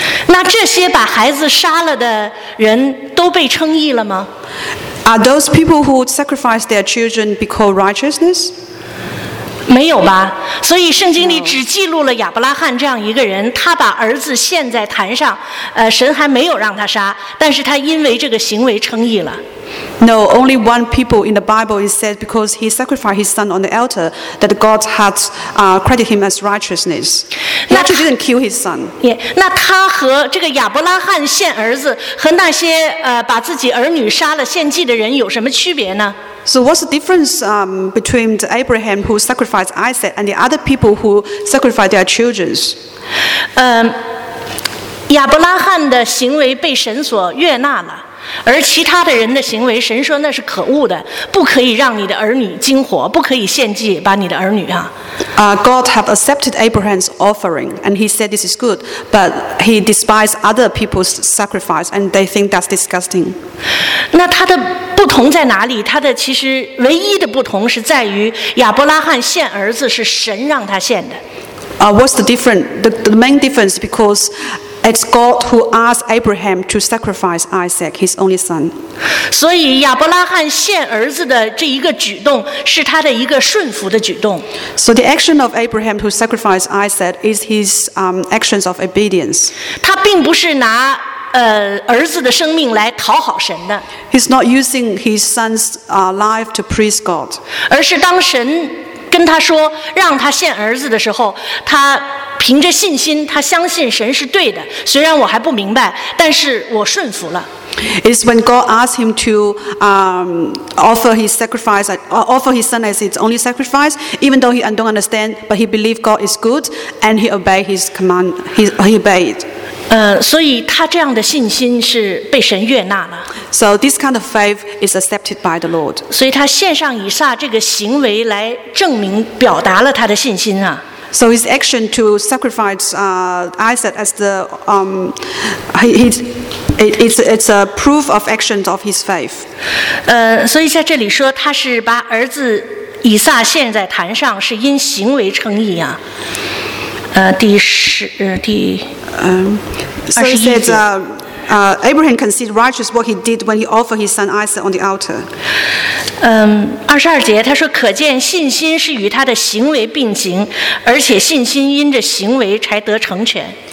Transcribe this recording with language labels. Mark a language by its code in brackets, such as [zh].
[zh] 那这些把孩子杀了的人都被称义了吗？ [en] Are those people who sacrifice their children be called righteousness? [zh] 没有吧？所以圣经里只记录了亚伯拉罕这样一个人，他把儿子献在坛上，神还没有让他杀，但是他因为这个行为称义了。 [en] No, only one people in the Bible is said because he sacrificed his son on the altar that God had credited him as righteousness. He actually didn't kill his son. [zh] 那他和这个亚伯拉罕献儿子和那些把自己儿女杀了献祭的人有什么区别呢？ [en] So what's the difference between the Abraham who sacrificed Isaac and the other people who sacrificed their children? [zh] 亚伯拉罕的行为被神所悦纳了，而其他的人的行为，神说那是可恶的，不可以让你的儿女惊火，不可以献祭把你的儿女啊。 [en] God have accepted Abraham's offering, and he said this is good, but he despised other people's sacrifice, and they think that's disgusting. [zh] 那他的不同在哪里？他的其实唯一的不同是在于亚伯拉罕献儿子是神让他献的。 [en] What's the difference? The main difference because it's God who asked Abraham to sacrifice Isaac, his only son. [zh] 所以亚伯拉罕献儿子的这一个举动是他的一个顺服的举动。 [en] So the action of Abraham to sacrifice Isaac is his actions of obedience. [zh] 他并不是拿儿子的生命来讨好神的。 [en] He's not using his son's life to praise God. [zh] 而是当神跟他说让他献儿子的时候，他凭着信心，他相信神是对的。虽然我还不明白，但是我顺服了。 [en] It's when God asked him to offer his son as his only sacrifice, even though he don't understand, but he believed God is good and he obeyed his command. He obeyed. [zh] 所以他这样的信心是被神悦纳了。 [en] So this kind of faith is accepted by the Lord. [zh] 所以他献上以撒这个行为来证明表达了他的信心啊。 [en] So his action to sacrifice Isaac as the it's a proof of actions of his faith. [zh] 所以在这里说他是把儿子以撒献在坛上是因行为称义啊。 [en] So he said, Abraham considered righteous what he did when he offered his son Isaac on the altar. [zh] 22节他说可见信心是与他的行为并行，而且信心因着行为才得成全。